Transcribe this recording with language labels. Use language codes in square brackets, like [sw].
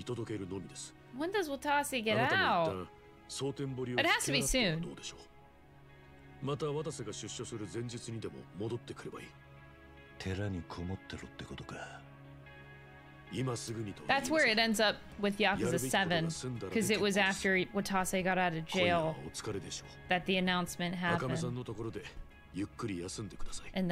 [ja] 仕事が一段落したんで報告に寄っただけなんだ。鶴野に聞いていたんならそれでいい。とにかく近江の解散を前にその最大の障壁はなくなりました。あとは渡瀬の出所を待って極道の解散を見届けるのみです。 [en] When does Watase get out? [ja] あなたが一旦蒼天堀を引き継ぐのはどうでしょう。また渡瀬が出所する前日にでも戻ってくればいい。寺にこもってろってことか。今すぐにと。 [en] That's where it ends up with Yakuza 7, because it was after Watase got out of jail that the announcement happened. [ja] 赤目さんのところでゆっくり休んでください。 [en] And